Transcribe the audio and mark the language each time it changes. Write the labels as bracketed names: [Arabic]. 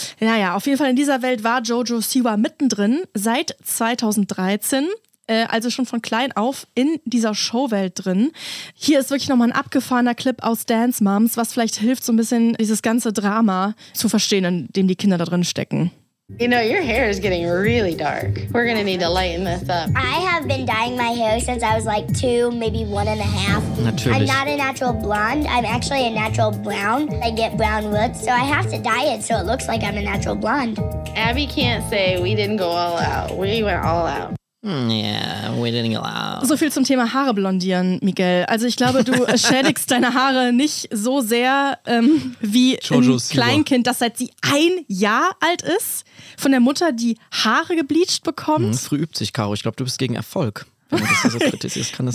[German] Naja, auf jeden Fall in dieser Welt war JoJo Siwa mittendrin seit 2013. Also schon von klein auf in dieser Showwelt drin. Hier ist wirklich nochmal ein abgefahrener Clip aus Dance Moms, was vielleicht hilft, so ein bisschen dieses ganze Drama zu verstehen, in dem die Kinder da drin stecken. [English] You know, your hair is getting really dark. We're gonna need to lighten this up. I have been dyeing my hair since I was like 2, maybe 1.5. [German] Natürlich. [English] I'm not a natural blonde. I'm actually a natural brown. I get brown roots, so I have to dye it so it looks like I'm a natural blonde. Abby can't say we didn't go all out. We went all out. Yeah, we didn't allow. [German] So viel zum Thema Haare blondieren, Miguel. Also ich glaube, du schädigst deine Haare nicht so sehr wie JoJo ein Kleinkind, das seit sie ein Jahr alt ist, von der Mutter die Haare gebleached bekommt. Mhm, früh übt sich, Caro. Ich glaube, du bist gegen Erfolg. Wenn man das so kritisiert, kann das